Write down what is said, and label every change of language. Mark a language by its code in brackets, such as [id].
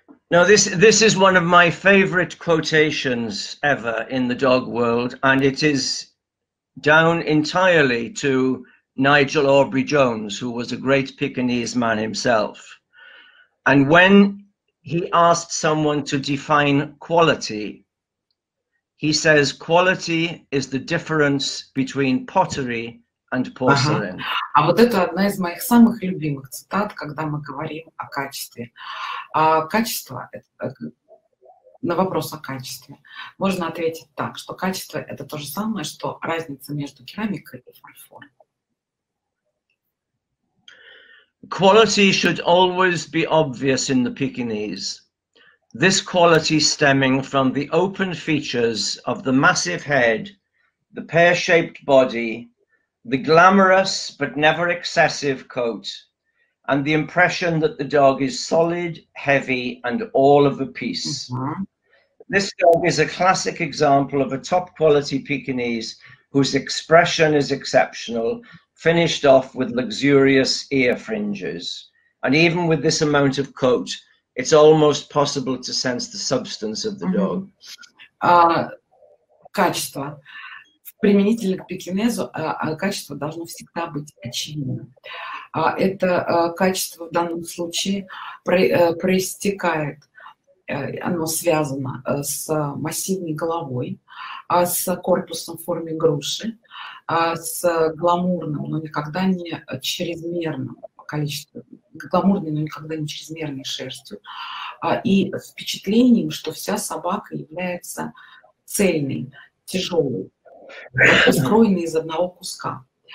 [en] Now this is one of my favorite quotations ever in the dog world, and it is down entirely to Nigel Aubrey-Jones, who was a great Pekinese man himself. And when he asked someone to define quality, he says, quality is the difference between pottery and porcelain. [ru] А вот это одна из моих самых любимых цитат, когда мы говорим о качестве. Качество – на вопрос о качестве можно ответить так, что качество – это то же самое, что разница между керамикой и фарфором. [en] Quality should always be obvious in the Pekinese. This quality stemming from the open features of the massive head, the pear-shaped body, the glamorous but never excessive coat, and the impression that the dog is solid, heavy, and all of a piece. Mm-hmm. This dog is a classic example of a top quality Pekinese whose expression is exceptional, finished off with luxurious ear fringes. And even with this amount of coat, it's almost possible to sense the substance of the dog. [ru] Качество. Применительно к Пекинезу качество должно всегда быть очевидным. Это качество в данном случае проистекает. Оно связано с массивной головой, с корпусом в форме груши, с гламурным, но никогда не чрезмерным количеством, гламурной, но никогда не чрезмерной шерстью, и впечатлением, что вся собака является цельной, тяжелой, скроенной из одного куска.